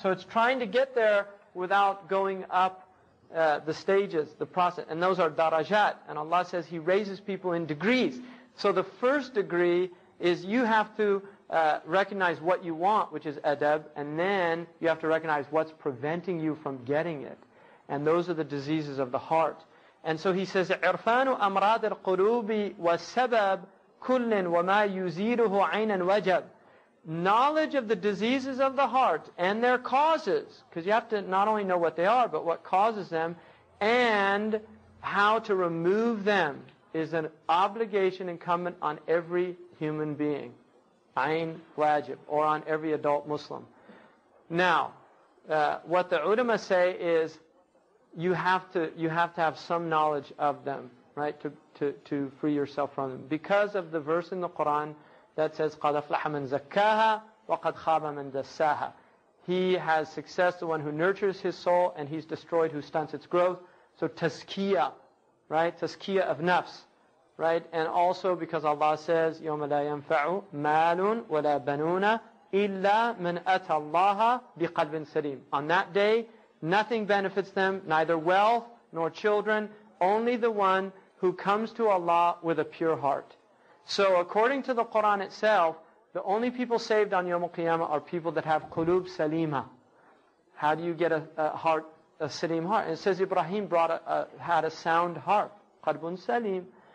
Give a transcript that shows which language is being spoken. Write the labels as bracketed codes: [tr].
[en] So it's trying to get there without going up the stages, the process. And those are darajat. And Allah says He raises people in degrees. So the first degree is you have to recognize what you want, which is adab. And then you have to recognize what's preventing you from getting it. And those are the diseases of the heart. And so He says, [ar] عِرْفَانُ أَمْرَادِ الْقُلُوبِ وَالسَّبَبْ كُلٍ وَمَا يُزِيدُهُ عَيْنًا وَجَبْ. [en] Knowledge of the diseases of the heart and their causes, because you have to not only know what they are, but what causes them, and how to remove them, is an obligation incumbent on every human being, ayn wajib, or on every adult Muslim. Now, what the ulama say is, you have to have some knowledge of them, right, to free yourself from them, because of the verse in the Quran that says, [ar] قَدْ أَفْلَحَ مَنْ زَكَّاهَا وَقَدْ خَابَ مَنْ دَسَّاهَا. [en] He has success, the one who nurtures his soul, and he's destroyed who stunts its growth. So tazkiyah, right? Tazkiyah of nafs, right? And also because Allah says, [ar] يَوْمَ لَا يَنْفَعُ مَالٌ وَلَا بَنُونَ إِلَّا مَنْ أَتَى اللَّهَ بِقَلْبٍ سَلِيمٍ. [en] On that day, nothing benefits them, neither wealth nor children, only the one who comes to Allah with a pure heart. So according to the Qur'an itself, the only people saved on Yawm al-Qiyamah are people that have qulub salima. How do you get a heart, a salim heart? And it says Ibrahim had a sound heart, qalbun salim.